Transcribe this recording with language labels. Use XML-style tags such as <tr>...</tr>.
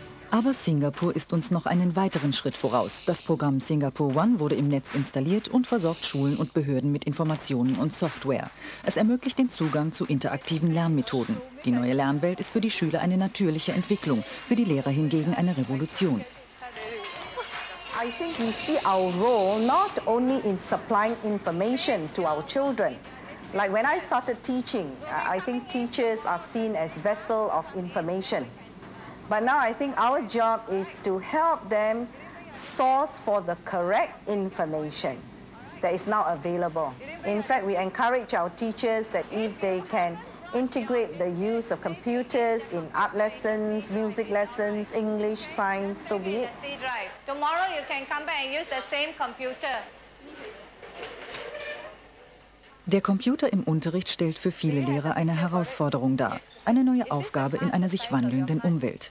<de>Aber Singapur ist uns noch einen weiteren Schritt voraus. Das Programm Singapore One wurde im Netz installiert und versorgt Schulen und Behörden mit Informationen und Software. Es ermöglicht den Zugang zu interaktiven Lernmethoden. Die neue Lernwelt ist für die Schüler eine natürliche Entwicklung, für die Lehrer hingegen eine Revolution.</de> <en>I think we see our role not only in supplying information to our children. Like when I started teaching, I think teachers are seen as vessels of information. But now I think our job is to help them source for the correct information that is now available. In fact, we encourage our teachers that if they can integrate the use of computers in art lessons, music lessons, English, science, so be it. Tomorrow you can come back and use the same computer.</en> <de>Der Computer im Unterricht stellt für viele Lehrer eine Herausforderung dar. Eine neue Aufgabe in einer sich wandelnden Umwelt.</de>